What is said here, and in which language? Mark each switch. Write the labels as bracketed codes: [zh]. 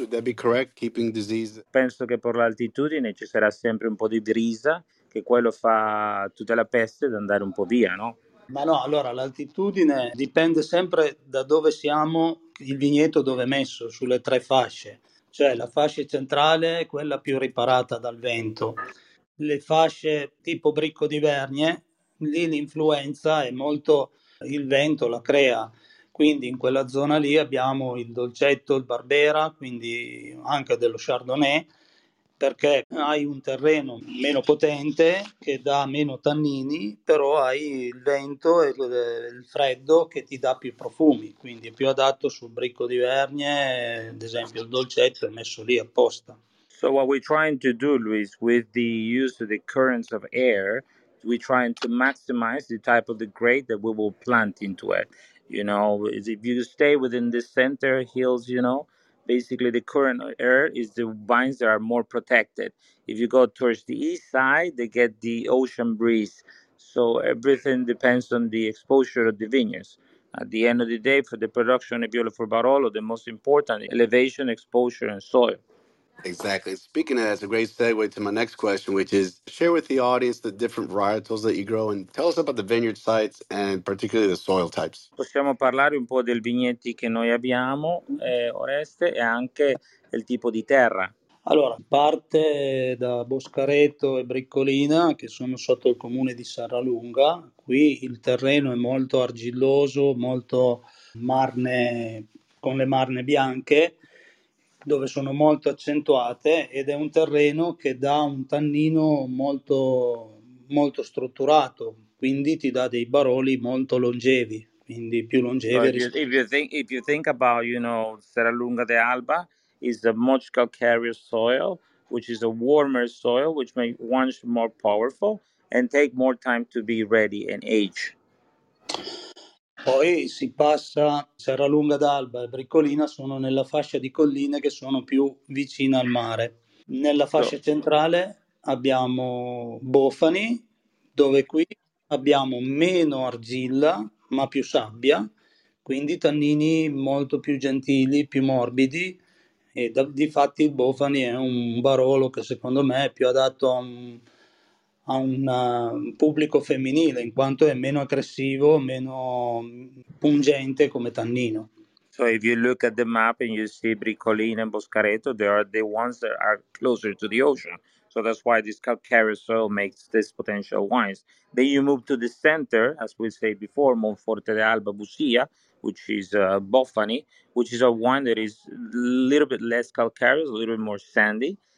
[en] Would that be correct, keeping disease? [it] Penso che per l'altitudine ci sarà sempre un po' di brisa, che quello fa tutta la peste ad andare un po' via, no? Ma no, allora l'altitudine dipende sempre da dove siamo, il vigneto dove è messo, sulle tre fasce. Cioè la fascia centrale è quella più riparata dal vento. Le fasce tipo Brico di Vernie, lì l'influenza è molto, il vento la crea. Quindi in quella zona lì abbiamo il Dolcetto, il Barbera, quindi anche dello Chardonnay, perché hai un terreno meno potente che dà meno tannini, però hai il vento e il freddo che ti dà più profumi, quindi è più adatto sul Brico di Vernie, ad esempio il Dolcetto è messo lì apposta. [en] So what we're trying to do, Luis, with the use of the currents of air, we're trying to maximize the type of the grape that we will plant into it. You know, if you stay within the center hills, you know, basically the current air is the vines that are more protected. If you go towards the east side, they get the ocean breeze. So everything depends on the exposure of the vineyards. At the end of the day, for the production of beautiful Barolo, the most important elevation, exposure, and soil. Exactly. Speaking of that, that's a great segue to my next question, which is share with the audience the different varietals that you grow and tell us about the vineyard sites and particularly the soil types. [it] Possiamo parlare un po' del vigneti che noi abbiamo, Oreste, e anche il tipo di terra. Allora, parte da Boscaretto e Bricolina, che sono sotto il comune di Serralunga. Qui il terreno è molto argilloso, molto marne, con le marne bianche, dove sono molto accentuate, ed è un terreno che dà un tannino molto, molto strutturato, quindi ti dà dei baroli molto longevi, quindi più longevi. [en] If you think about, you know, Serralunga de Alba is a much calcareous soil, which is a warmer soil, which makes wines more powerful and take more time to be ready and age. [it] Poi si passa, Serralunga d'Alba e Bricolina sono nella fascia di colline che sono più vicine al mare. Nella fascia centrale abbiamo Bofani, dove qui abbiamo meno argilla ma più sabbia, quindi tannini molto più gentili, più morbidi, e difatti Bofani è un Barolo che secondo me è più adatto a un pubblico femminile, in quanto è meno aggressivo, meno pungente come tannino. [en] So if you look at the map and you see Bricolina and Boscaretto, they are the ones that are closer to the ocean. So that's why this calcareous soil makes this potential wines. Then you move to the center, as we say before, Monforte de Alba Busia, which is Bofani, which is a wine that is a little bit less calcareous, a little bit more sandy.